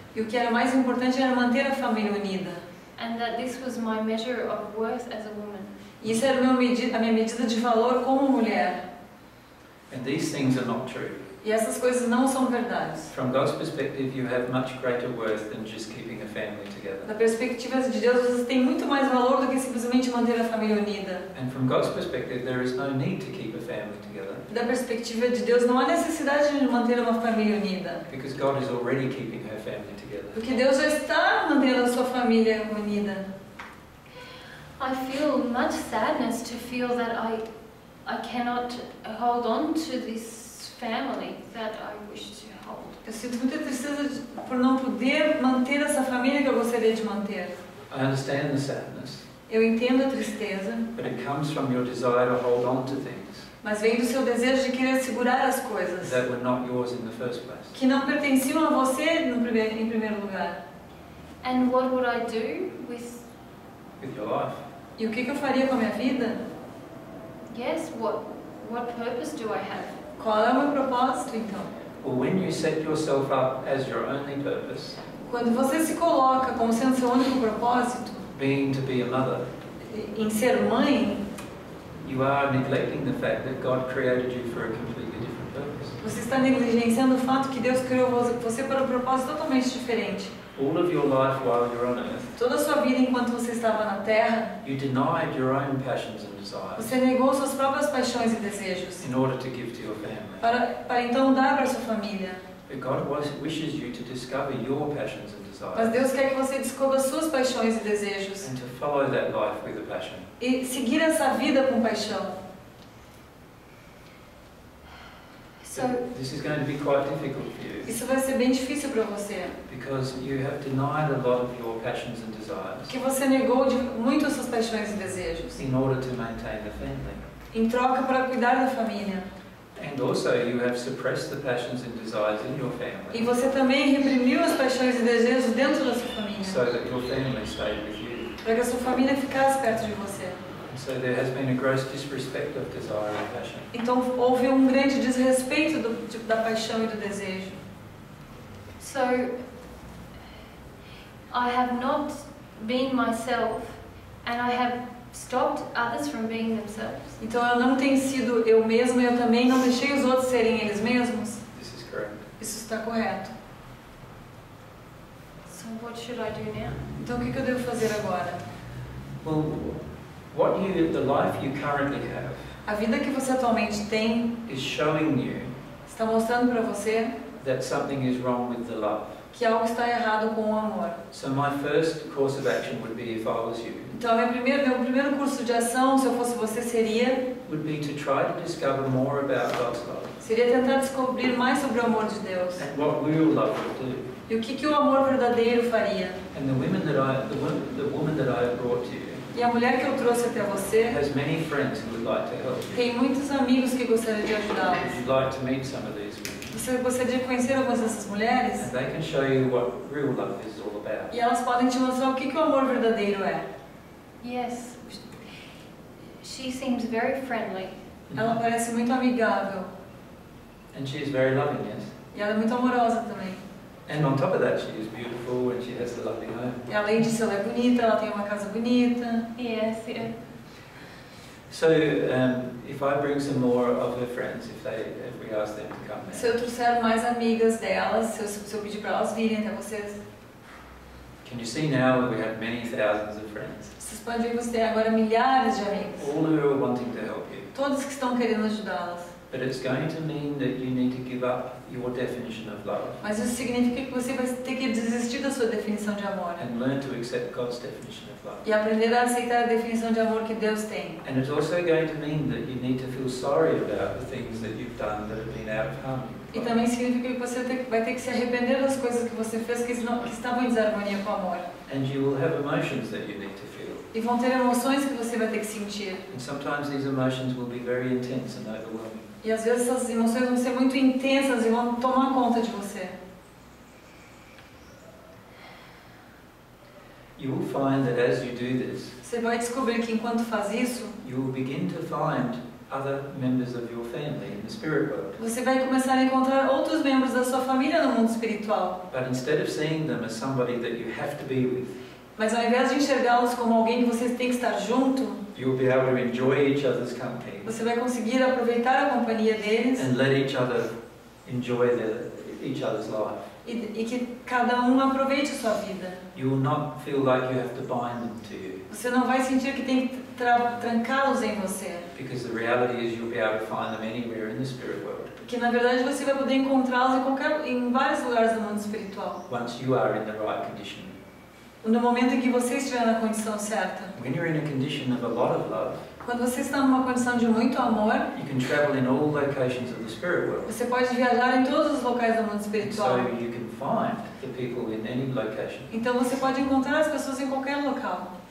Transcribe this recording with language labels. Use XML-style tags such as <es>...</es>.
<pt>E o que era mais importante era manter a família unida.</pt> <en>And that this was my measure of worth as a woman.</en> <pt>E isso era a minha medida de valor como mulher.</pt> <en>And these things are not true.</en> <pt>E essas coisas não são verdades.</pt> <en>From God's perspective, you have much greater worth than just keeping a family together.</en> <pt>Da perspectiva de Deus, você tem muito mais valor do que simplesmente manter a família unida.</pt> <en>And from God's perspective, there is no need to keep a family together.</en> <pt>Da perspectiva de Deus, não há necessidade de manter uma família unida.</pt> <en>Because God is already keeping her family together.</en> <pt>Porque Deus já está mantendo a sua família unida.</pt> <en>I feel much sadness to feel that I cannot hold on to this family that I wish to hold.</en> <pt>Eu sinto muita tristeza por não poder manter essa família que eu gostaria de manter.</pt> <en>I understand the sadness.</en> <pt>Eu entendo a tristeza.</pt> <en>But it comes from your desire to hold on to things.</en> <pt>Mas vem do seu desejo de querer segurar as coisas.</pt> <en>That were not yours in the first place.</en> <pt>Que não pertenciam a você em primeiro lugar.</pt> <en>And what would I do with your life?</en> <pt>E o que eu faria com a minha vida?</pt> <en>Yes, what purpose do I have?</en> <pt>Qual é o meu propósito, então?</pt> <en>Well, when you set yourself up as your only purpose,</en> <pt>quando você se coloca como sendo seu único propósito,</pt> <en>being to be a mother,</en> <pt>em ser mãe,</pt> <en>you are neglecting the fact that God created you for a completely different purpose.</en> <pt>Você está negligenciando o fato que Deus criou você para um propósito totalmente diferente.</pt> <en>All of your life while you're on earth,</en> <pt>toda a sua vida enquanto você estava na Terra,</pt> <en>you denied your own passions and desires,</en> <pt>você negou suas próprias paixões e desejos,</pt> <en>in order to give to your family,</en> <pt>para então dar para sua família.</pt> <en>But God wishes you to discover your passions and desires.</en> <pt>Mas Deus quer que você descubra suas paixões e desejos.</pt> <en>And to follow that life with a passion.</en> <pt>E seguir essa vida com paixão.</pt> <en>So, this is going to be quite difficult for you.</en> <pt>Isso vai ser bem difícil para você.</pt> <en>Because you have denied a lot of your passions and desires.</en> <pt>Que você negou de muito suas paixões e desejos.</pt> <en>In order to maintain the family.</en> <pt>Em troca para cuidar da família.</pt> <en>And also you have suppressed the passions and desires in your family.</en> <pt>E você também reprimiu as paixões e desejos dentro da sua família.</pt> <en>So that your family stayed with you.</en> <pt>Para que a sua família ficasse perto de você.</pt> <en>So there has been a gross disrespect of desire and passion.</en> <pt>Então houve grande desrespeito da paixão e do desejo.</pt> <en>So I have not been myself and I have stopped others from being themselves.</en> <pt>Então eu não tenho sido eu mesmo e eu também não deixei os outros serem eles mesmos.</pt> <en>This is correct.</en> <pt>Isso está correto.</pt> <en>So what should I do now?</en> <pt>Então o que eu devo fazer agora?</pt> <en>Well, what the life you currently have.</en> <pt>A vida que você atualmente tem</pt> <en>is showing you.</en> <pt>Está mostrando para você</pt> <en>that something is wrong with the love.</en> <pt>Que algo está errado com o amor.</pt> <en>So my first course of action would be if I was you.</en> <pt>Então, meu primeiro curso de ação, se eu fosse você, seria</pt> <en>would be to try to discover more about God's love.</en> <pt>Seria tentar descobrir mais sobre o amor de Deus.</pt> <en>And what real love would do.</en> <pt>E o que o amor verdadeiro faria?</pt> <en>And the woman that I have brought to you.</en> <pt>E a mulher que eu trouxe até você</pt> <en>has many friends who would like to help you.</en> <pt>Tem muitos amigos que gostariam de ajudá-los.</pt> <en>Would you like to meet some of these women?</en> <pt>Você gostaria de conhecer algumas dessas mulheres?</pt> <en>And they can show you what real love is all about.</en> <pt>E elas podem te mostrar o que o amor verdadeiro é.</pt> <en>Yes, she seems very friendly.</en> <pt>Ela parece muito amigável.</pt> <en>And she is very loving, yes.</en> <pt>E ela é muito amorosa também.</pt> <en>And on top of that, she is beautiful and she has a lovely home.</en> <pt>E além disso, ela é bonita, ela tem uma casa bonita.</pt> <en>Yes, yeah. So, if I bring some more of her friends, if we ask them to come.</en> <pt>Se eu trouxer mais amigas delas, se eu pedir para elas virem até vocês.</pt> <en>Can you see now that we have many thousands of friends?</en> <pt>Vocês podem ver que você tem agora milhares de amigos.</pt> <en>All who are wanting to help you.</en> <pt>Todos que estão querendo ajudá-las.</pt> <en>But it's going to mean that you need to give up your definition of love.</en> <pt>Mas isso significa que você vai ter que desistir da sua definição de amor.</pt> <en>And learn to accept God's definition of love.</en> <pt>E aprender a aceitar a definição de amor que Deus tem.</pt> <en>And it's also going to mean that you need to feel sorry about the things that you've done that have been out of harmony.</en> <pt>E também significa que você vai ter que se arrepender das coisas que você fez que estavam em desarmonia com o amor.</pt> <en>And you will have emotions that you need to feel.</en> <pt>E vão ter emoções que você vai ter que sentir.</pt> <en>And sometimes these emotions will be very intense and overwhelming.</en> <pt>E às vezes essas emoções vão ser muito intensas e vão tomar conta de você.</pt> <en>You will find that as you do this,</en> <pt>você vai descobrir que enquanto faz isso,</pt> <en>you will begin to find other members of your family in the spirit world.</en> <pt>Você vai começar a encontrar outros membros da sua família no mundo espiritual.</pt> <en>But instead of seeing them as somebody that you have to be with,</en> <pt>mas ao invés de enxergá-los como alguém que você tem que estar junto,</pt> <en>you'll be able to enjoy each other's company.</en> <pt>Você vai conseguir aproveitar a companhia deles.</pt> <en>And let each other enjoy each other's life.</en> <pt>E que cada aproveite a sua vida.</pt> <en>You will not feel like you have to bind them to you.</en> <pt>Você não vai sentir que tem que trancá-los em você.</pt> <en>Because the reality is you'll be able to find them anywhere in the spirit world.</en> <pt>Porque na verdade você vai poder encontrá-los em vários lugares do mundo espiritual.</pt> <en>Once you are in the right condition.</en> <pt>No momento em que você estiver na condição certa.</pt> <en>When you're in a condition of a lot of love.</en> <pt>Quando você está numa condição de muito amor.</pt> <en>You can travel in all locations of the spirit world.</en> <pt>Você pode viajar em todos os locais do mundo espiritual.</pt> <en>So you can find the people in any location.</en> <pt>Então você pode encontrar as pessoas em qualquer local.</pt>